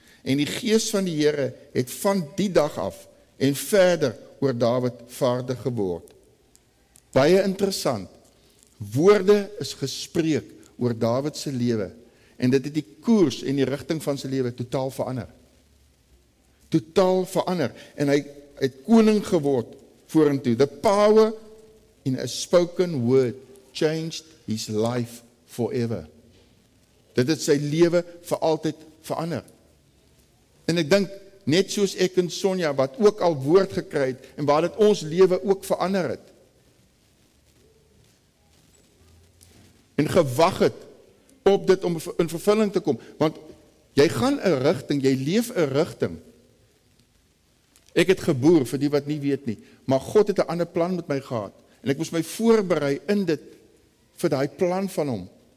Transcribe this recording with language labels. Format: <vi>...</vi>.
<af>En die geest van die Heere het van die dag af en verder oor David vaardig geword. Baie interessant, woorde is gespreek oor Davidse lewe en dit het die koers en die richting van sy lewe totaal verander. Totaal verander en hy het koning geword vorentoe.</af> <en>The power in a spoken word changed his life forever.</en> <af>Dit het sy lewe vir altyd verander. En ek dink, net soos ek en Sonja, wat ook al woord gekry het, en waar dit ons lewe ook verander het, en gewag het op dit om in vervulling te kom, want jy gaan een richting, jy leef een richting, ek het geboer, vir die wat nie weet nie, maar God het een ander plan met my gehad, en ek moes my voorberei in dit, vir die plan van hom,</af>